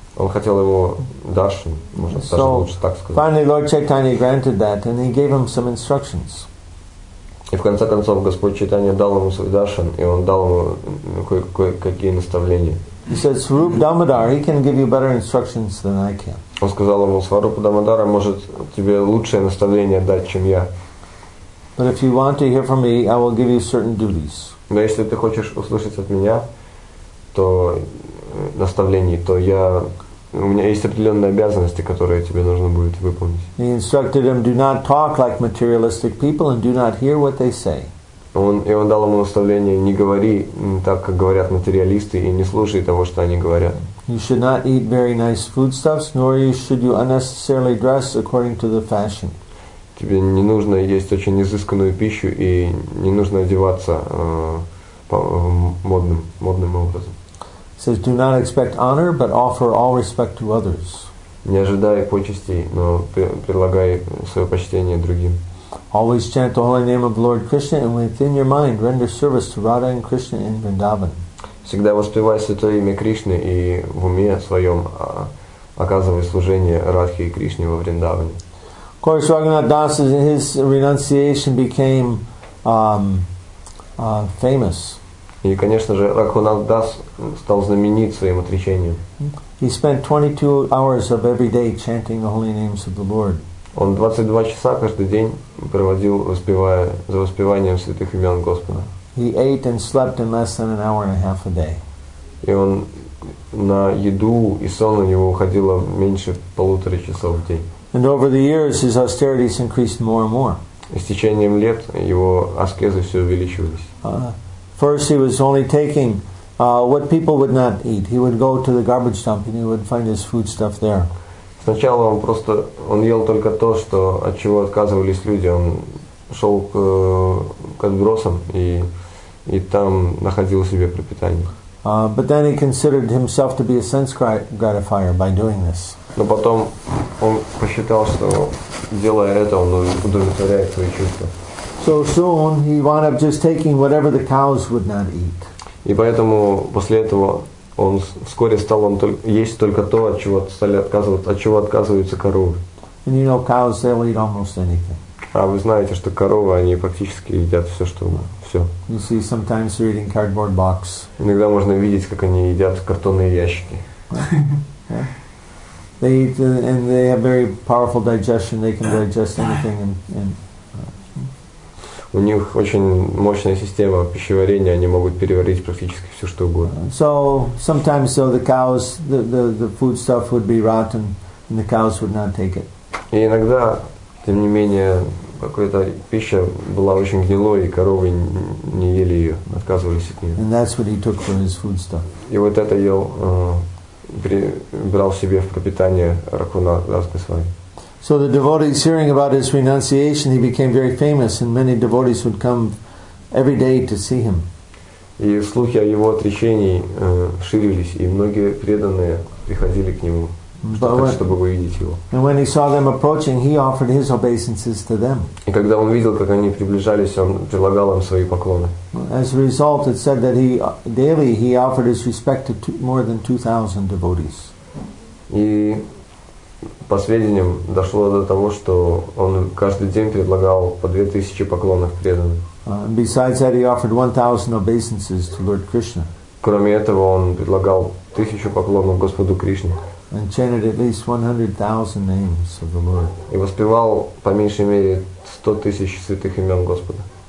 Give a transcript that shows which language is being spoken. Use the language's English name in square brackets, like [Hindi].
[Russian] Он хотел его даршан, можно даже лучше так сказать. [English] Finally, Lord Chaitanya granted that, and he gave him some instructions. [Russian] И в конце концов Господь Чайтанья дал ему свой даршан, и он дал ему кое-какие наставления. [English] He said, "Swarup Damodara, he can give you better instructions than I can." [Russian] Он сказал ему, Сварупа Дамодара может тебе лучшее наставление дать, чем я. [English] But if you want to hear from me, I will give you certain duties. [Russian] Но если ты хочешь услышать от меня, то наставлений, то я у меня есть определенные обязанности, которые тебе нужно будет выполнить. [English] He instructed him, do not talk like materialistic people and do not hear what they say. [Russian] Он дал ему наставление, не говори так, как говорят материалисты, и не слушай того, что они говорят. [English] You should not eat very nice foodstuffs, nor should you unnecessarily dress according to the fashion. [Russian] Тебе не нужно есть очень изысканную пищу и не нужно одеваться модным образом. [English] Says, do not expect honor, but offer all respect to others. [Russian] Не ожидай почестей, но предлагай свое почтение другим. [English] Always chant the holy name of Lord Krishna, and within your mind render service to Radha and Krishna in Vrindavan. [Russian] Всегда воспевай святое имя Кришны и в уме своем оказывай служение Радхе и Кришне во Вриндаване. [English] Of course, Raghunath Das, his renunciation became famous. [Russian] И, конечно же, Raghunath Das стал знаменит своим отречением. [English] He spent 22 hours of every day chanting the holy names of the Lord. [Russian] Он 22 часа каждый день проводил, воспевая, за воспеванием святых имен Господа. [English] He ate and slept in less than an hour and a half a day. [Russian] И он на еду и сон у него уходило меньше полутора часов в день. [English] And over the years his austerities increased more and more. [Russian] И с течением лет его аскезы все увеличивались. [English] First, he was only taking what people would not eat. He would go to the garbage dump and he would find his food stuff there. [Russian] Сначала он ел только то, что от чего отказывались люди. Он шел к отбросам и там находил себе пропитание. [English] But then he considered himself to be a sense gratifier by doing this. [Russian] Но потом он посчитал, что делая это, он удовлетворяет свои чувства. [English] So soon he wound up just taking whatever the cows would not eat. [Russian] И поэтому после этого он вскоре стал он есть только то, от чего стали отказываться, от чего отказываются коровы. [English] And you know, cows, they'll eat almost anything. [Russian] А вы знаете, что коровы, они практически едят все, что все. [English] You see, sometimes they're eating cardboard box. [Russian] Иногда можно видеть, как они едят картонные ящики. [English] They eat and they have very powerful digestion. They can digest anything and [Russian] у них очень мощная система пищеварения, они могут переварить практически все, что угодно. [English] So sometimes so the cows the food stuff would be rotten and the cows would not take it. [Russian] И иногда, тем не менее, какая-то пища была очень гнилой, и коровы не ели ее, отказывались от нее. [English] And that's what he took for his food stuff. [Russian] И вот это ел брал себе в пропитание ракуна Даска Свами. [English] So the devotees hearing about his renunciation, he became very famous, and many devotees would come every day to see him. [Russian] И слухи о его отречении ширились, и многие преданные приходили к нему, чтобы увидеть его. [English] And when he saw them approaching, he offered his obeisances to them. [Russian] И когда он видел, как они приближались, он предлагал им свои поклоны. [English] As a result, it said that he daily offered his respect to more than 2,000 devotees. [Russian] И по сведениям, дошло до того, что он каждый день предлагал по 2000 поклонов преданным. [English] Besides that, he offered 1,000 obeisances to Lord Krishna. [Russian] Кроме этого, он предлагал 1,000 поклонов Господу Кришне. [English] And chanted at least 100,000 names of the Lord. [Russian] И воспевал по меньшей мере 100 тысяч святых имен Господа.